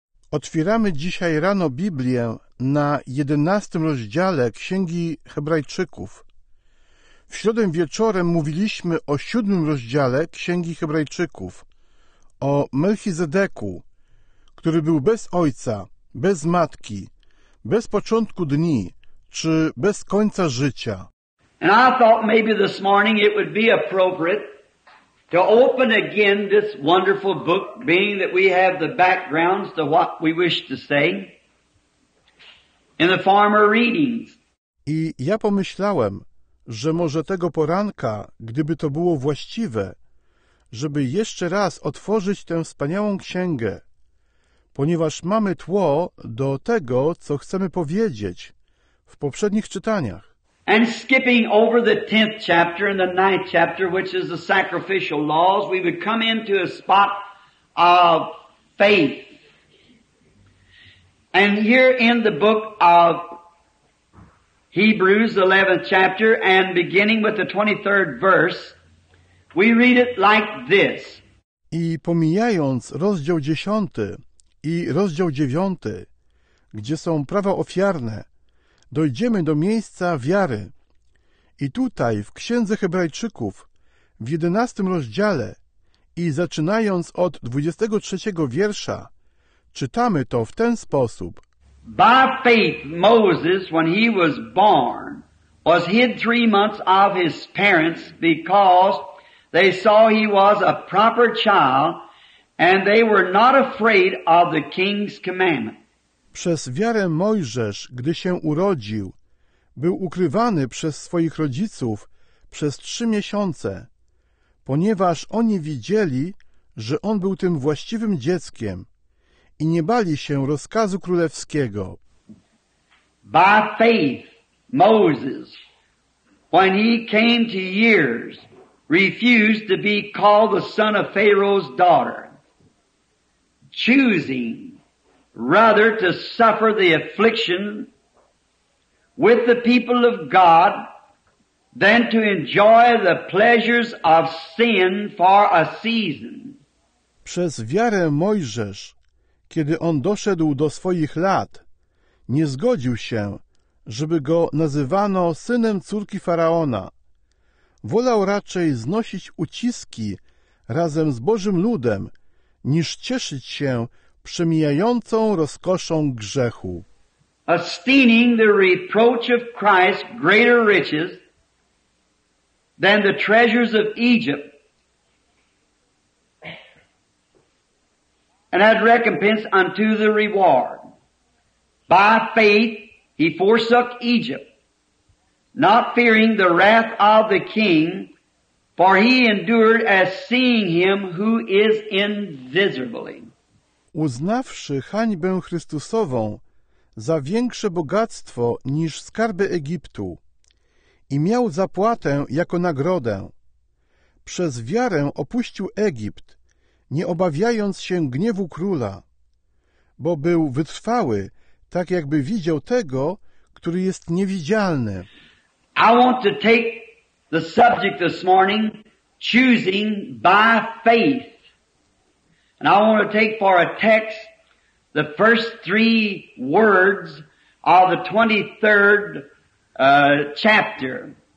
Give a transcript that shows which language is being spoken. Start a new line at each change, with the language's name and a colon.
Polish: Otwieramy dzisiaj rano Biblię na 11 rozdziale Księgi Hebrajczyków. W środę wieczorem mówiliśmy o 7 rozdziale Księgi Hebrajczyków, o Melchizedeku, który był bez ojca, bez matki, bez początku dni, czy bez końca życia.
English: And I thought maybe this morning it would be appropriate to open again this wonderful book, being that we have the backgrounds to what we wish to say in the former readings.
Polish: I ja pomyślałem, że może tego poranka, gdyby to było właściwe, żeby jeszcze raz otworzyć tę wspaniałą księgę, ponieważ mamy tło do tego, co chcemy powiedzieć w poprzednich czytaniach.
English: And skipping over the 10th chapter and the 9th chapter, which is the sacrificial laws, we would come into a spot of faith. And here in the book of Hebrews, the 11th chapter, and beginning with the 23rd verse, we read it like this.
Polish: I pomijając rozdział 10 i rozdział 9, gdzie są prawa ofiarne, dojdziemy do miejsca wiary. I tutaj, w Księdze Hebrajczyków, w 11 rozdziale i zaczynając od 23 wiersza, czytamy to w ten sposób.
English: By faith Moses, when he was born, was hid 3 months of his parents, because they saw he was a proper child, and they were not afraid of the king's commandment.
Polish: Przez wiarę Mojżesz, gdy się urodził, był ukrywany przez swoich rodziców przez 3 miesiące, ponieważ oni widzieli, że on był tym właściwym dzieckiem i nie bali się rozkazu królewskiego.
English: By faith, Moses, when he came to years, refused to be called the son of Pharaoh's daughter, choosing rather to suffer the affliction with the people of God than to enjoy the pleasures of sin for a season.
Polish: Przez wiarę Mojżesz, kiedy on doszedł do swoich lat, nie zgodził się, żeby go nazywano synem córki Faraona. Wolał raczej znosić uciski razem z Bożym ludem, niż cieszyć się przemijającą rozkoszą grzechu.
English: Esteeming the reproach of Christ greater riches than the treasures of Egypt, and had recompense unto the reward. By faith he forsook Egypt, not fearing the wrath of the king, for he endured as seeing him who is invisibly.
Polish: Uznawszy hańbę Chrystusową za większe bogactwo niż skarby Egiptu i miał zapłatę jako nagrodę. Przez wiarę opuścił Egipt, nie obawiając się gniewu króla, bo był wytrwały, tak jakby widział tego, który jest niewidzialny.
English: I want to take the subject this morning, choosing by faith. And I want to take for a text the first three words of the 23rd chapter.